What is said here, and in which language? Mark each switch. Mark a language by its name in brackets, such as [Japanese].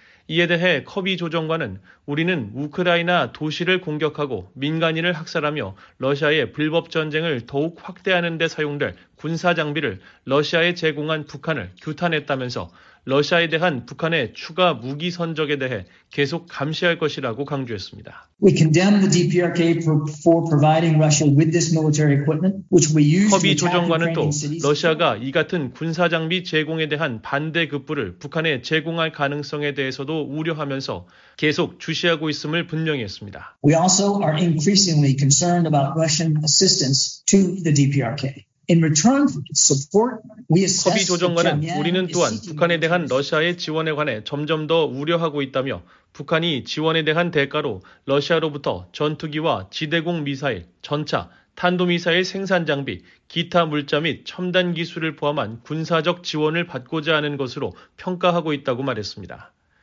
[Korean] 이에 대해 커비 조정관은 우리는 우크라이나 도시를 공격하고 민간인을 학살하며 러시아의 불법 전쟁을 더욱 확대하는 데 사용될 군사 장비를 러시아에 제공한 북한을 규탄했다면서 러시아에 대한 북한의 추가 무기 선적에 대해 계속 감시할 것이라고 강조했습니다. [English] We condemn the DPRK for providing Russia with this military equipment, which we use. [Korean] 커비 조정관은 또 러시아가 이 같은 군사 장비 제공에 대한 반대 급부를 북한에 제공할 가능성에 대해서도 우려하면서 계속 주시하고 있음을 분명히 했습니다. [English] We also are increasingly concerned about Russian assistance to the DPRK. In return for support, we assess. [Korean] 커비 조정관은 우리는 또한 북한에 대한 러시아의 지원에 관해 점점 더 우려하고 있다며 북한이 지원에 대한 대가로 러시아로부터 전투기와 지대공 미사일, 전차, 탄도미사일 생산 장비, 기타 물자 및 첨단 기술을 포함한 군사적 지원을 받고자 하는 것으로 평가하고 있다고 말했습니다.